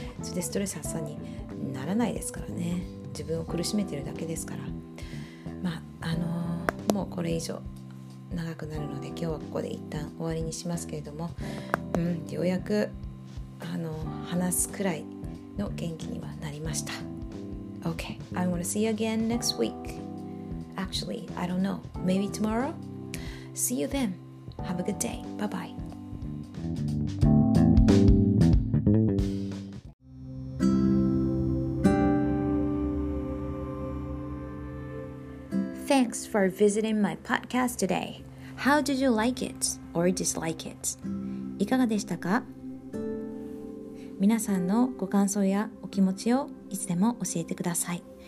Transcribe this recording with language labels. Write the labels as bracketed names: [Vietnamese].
[Japanese] それでストレス発散にならないですからね、自分を苦しめてるだけですから。まあもうこれ以上長くなるので今日はここで一旦終わりにしますけれども、ようやく話すくらいの元気にはなりました。 [English] OK I'm gonna see you again next week. Actually I don't know, maybe tomorrow. See you then. Have a good day. Bye bye. Thanks for visiting my podcast today. How did you like it or dislike it? [Japanese] いかがでしたか？皆さんのご感想やお気持ちをいつでも教えてください。